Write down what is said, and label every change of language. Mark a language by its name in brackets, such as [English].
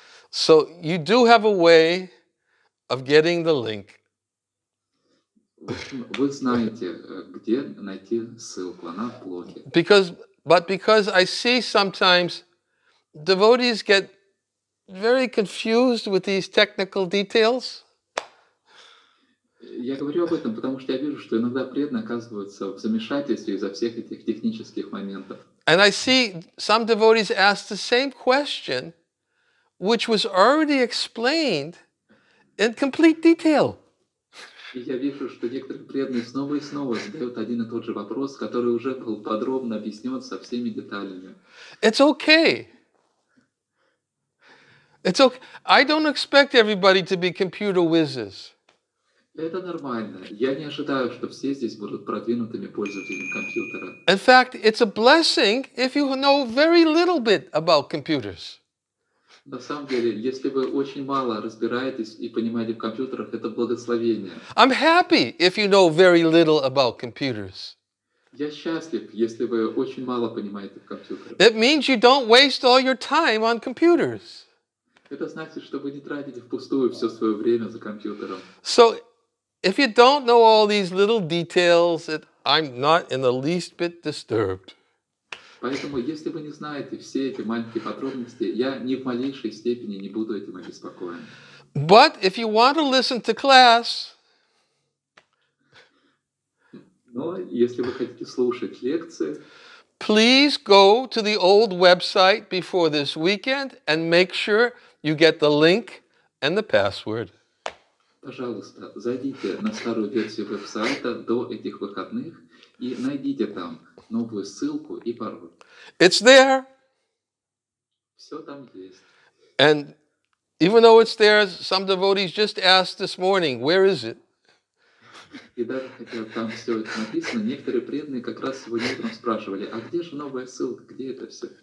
[English] So you do have a way of getting the link. [Russian] Вы знаете, где найти ссылку на блоге. [English] Because I see sometimes devotees get very confused with these technical details. [Russian] Я говорю об этом, потому что я вижу, что иногда преданные оказываются в замешательстве из-за всех этих технических моментов. [English] And I see some devotees ask the same question, which was already explained in complete detail. [Russian] Я вижу, что некоторые преданные снова и снова задают один и тот же вопрос, который уже был подробно объяснен со всеми деталями. [English] It's okay. It's okay. I don't expect everybody to be computer whizzes. [Russian] Это нормально. Я не ожидаю, что все здесь будут продвинутыми пользователями компьютера. [English] In fact, it's a blessing if you know very little bit about computers. [Russian] На самом деле, если вы очень мало разбираетесь и понимаете в компьютерах, это благословение. [English] I'm happy if you know very little about computers. [Russian] Я счастлив, если вы очень мало понимаете в компьютерах. [English] It means you don't waste all your time on computers. [Russian] Это значит, что вы не тратите впустую все свое время за компьютером. [English] So, if you don't know all these little details, I'm not in the least bit disturbed. [Russian] Поэтому, если вы не знаете все эти маленькие подробности, я ни в малейшей степени не буду этим обеспокоен. [English] But if you want to listen to class, [Russian] но если вы хотите слушать лекции, [English] please go to the old website before this weekend and make sure you get the link and the password. [Russian] Пожалуйста, зайдите на старую версию веб-сайта до этих выходных и найдите там новую ссылку и пароль. [English] It's there. [Russian] Все там есть. [English] And even though it's there, some devotees just asked this morning, where is it? [Russian] И даже хотя там все это написано, некоторые преданные как раз сегодня утром спрашивали, а где же новая ссылка, где это все?